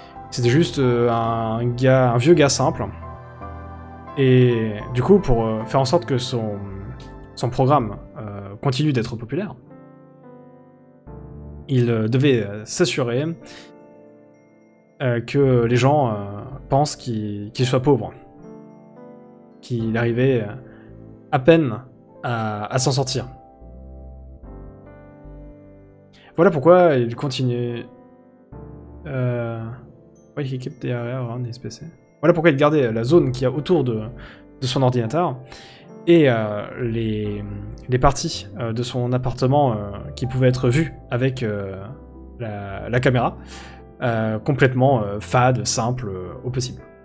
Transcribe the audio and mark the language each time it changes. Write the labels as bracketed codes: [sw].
[fr] C'était juste un vieux gars simple. Et du coup, pour faire en sorte que son programme continue d'être populaire, il devait s'assurer que les gens pensent qu'il soit pauvre, qu'il arrivait à peine à s'en sortir. Voilà pourquoi il continue. [en] Why he kept the area around his PC. [fr] Voilà pourquoi il gardait la zone qu'il y a autour de son ordinateur et les parties de son appartement qui pouvaient être vues avec la caméra, complètement fade, simple au possible.